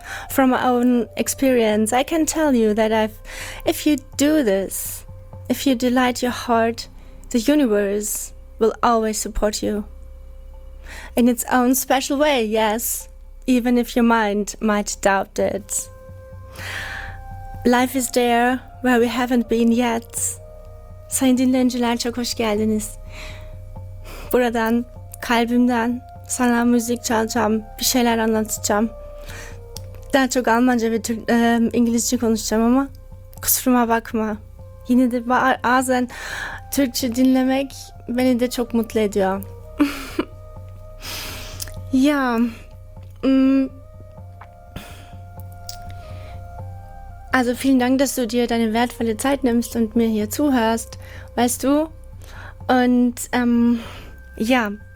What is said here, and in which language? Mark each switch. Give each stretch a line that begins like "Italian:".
English: From my own experience, I can tell you that if you do this, if you delight your heart, the universe will always support you. In its own special way, yes, even if your mind might doubt it. Life is there where we haven't been yet.
Turkish: Sein din lenjilan çok hoş geldiniz. Buradan kalbimden sana müzik çalacağım, bir şeyler anlatacağım. Daha çok Almanca ve İngilizce konuşacağım ama kusuruma bakma. Yine de bazen Türkçe dinlemek beni de çok mutlu ediyor.
German: Ya, also vielen Dank, dass du dir deine wertvolle Zeit nimmst und mir hier zuhörst, weißt du? Und ja.